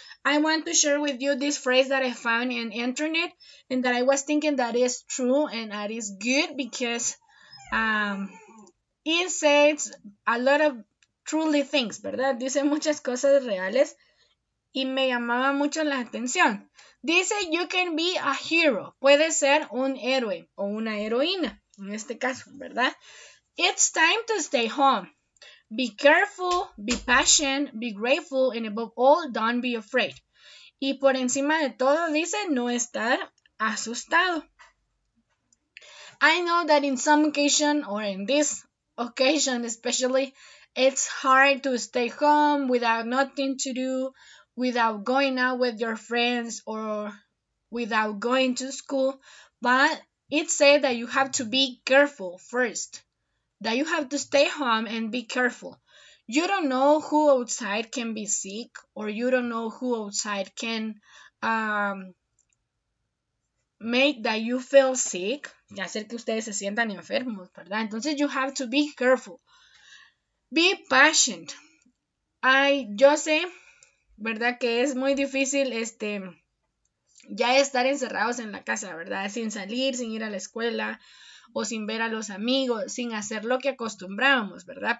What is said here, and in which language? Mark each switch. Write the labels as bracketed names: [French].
[English] I want to share with you this phrase that I found in internet and that I was thinking that is true and that is good because it says a lot of truly things, ¿verdad? [Spanish] Dice muchas cosas reales y me llamaba mucho la atención. Dice [English] you can be a hero. [Spanish] Puede ser un héroe o una heroína en este caso, ¿verdad? [English] It's time to stay home. Be careful, be patient, be grateful, and above all, don't be afraid. [Spanish] Y por encima de todo dice no estar asustado. [English] I know that in some occasion, or in this occasion especially, it's hard to stay home without nothing to do, without going out with your friends, or without going to school. But it said that you have to be careful first. That you have to stay home and be careful. You don't know who outside can be sick, or you don't know who outside can make that you feel sick. [Spanish] Y hacer que ustedes se sientan enfermos, ¿verdad? Entonces, [English] you have to be careful. Be patient. [Spanish] Yo sé, ¿verdad?, que es muy difícil ya estar encerrados en la casa, ¿verdad? Sin salir, sin ir a la escuela, o sin ver a los amigos, sin hacer lo que acostumbrábamos, ¿verdad?